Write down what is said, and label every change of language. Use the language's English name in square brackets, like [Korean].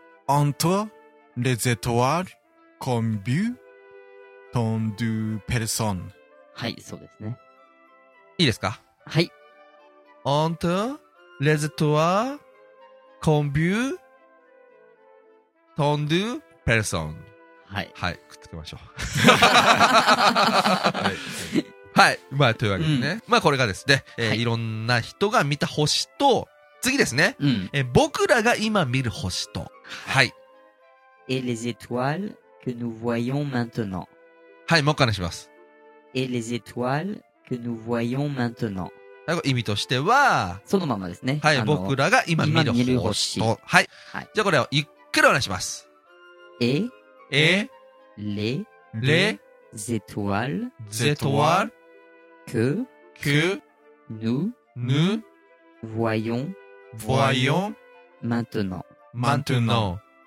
[French] Entre les étoiles, qu'ont vu [Japanese] トンドゥペルソン。はい、そうですね。いいですか？はい。 [French] アントレゼトワーコンビュートンドゥペルソン。 [Japanese] はい。はい、くっつけましょう。はい、はい、まあ、というわけですね、うん。まあ、これがですね、いろんな人が見た星と、次ですね、うん、僕らが今見る星と。はい。 [French] エレゼトワールクヌヴァイオンマントナー。 [Japanese] はい、もう一回話します。 [French] Et les étoiles que nous voyons maintenant。 [Japanese] はい、意味としては、そのままですね。はい、僕らが今見る星と。はい。はい。じゃあこれをゆっくりお願いします。 [French] Les étoiles。 étoiles。 Que nous voyons。 voyons。 maintenant。 maintenant。